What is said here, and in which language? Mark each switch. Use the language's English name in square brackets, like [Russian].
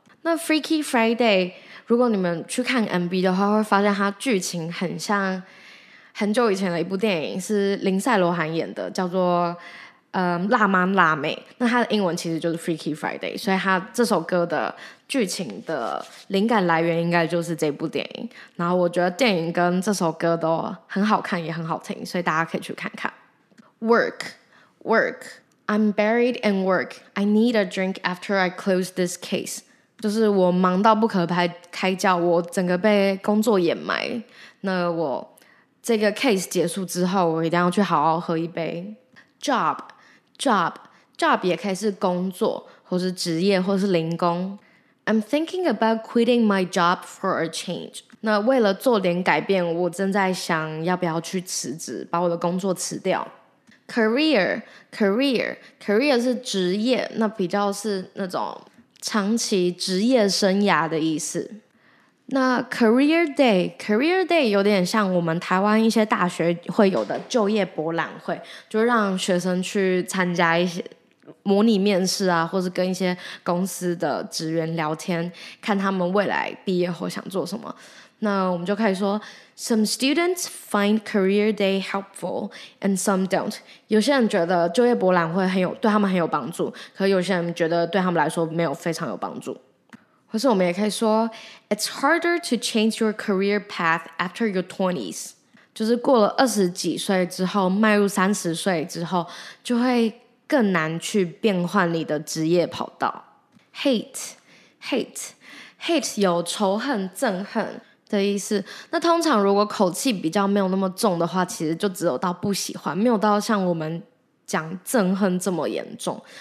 [Chinese] 那 Freaky Friday 如果你们去看 MV 的话，会发现它剧情很像很久以前的一部电影，是林赛罗韩演的，叫做辣妈辣妹。那它的英文其实就是 Freaky Friday， 所以它这首歌的剧情的灵感来源应该就是这部电影，然后我觉得电影跟这首歌都很好看也很好听，所以大家可以去看看。 [English] Work, work, I'm buried in work, I need a drink after I close this case. [Chinese] 就是我忙到不可开交，我整个被工作掩埋，那我这个 case 结束之后我一定要去好好喝一杯。 Job, job, job 也可以是工作或是职业或是零工。 [English] I'm thinking about quitting my job for a change. [Chinese] 那为了做点改变，我正在想要不要去辞职，把我的工作辞掉。 Career, career, career 是职业，那比较是那种长期职业生涯的意思。那 career day, career day 有点像我们台湾一些大学会有的就业博览会，就让学生去参加一些模拟面试啊，或是跟一些公司的职员聊天，看他们未来毕业后想做什么。那我们就可以说 [English] Some students find career day helpful and some don't. [Chinese] 有些人觉得就业博览会很有对他们很有帮助，可有些人觉得对他们来说没有非常有帮助。或是我们也可以说 [English] It's harder to change your career path after your 20s. [Chinese] 就是过了二十几岁之后，迈入三十岁之后，就会更难去变换你的职业跑道。 Hate, hate, hate 有仇恨憎恨的意思，那通常如果口气比较没有那么重的话，其实就只有到不喜欢，没有到像我们讲憎恨这么严重。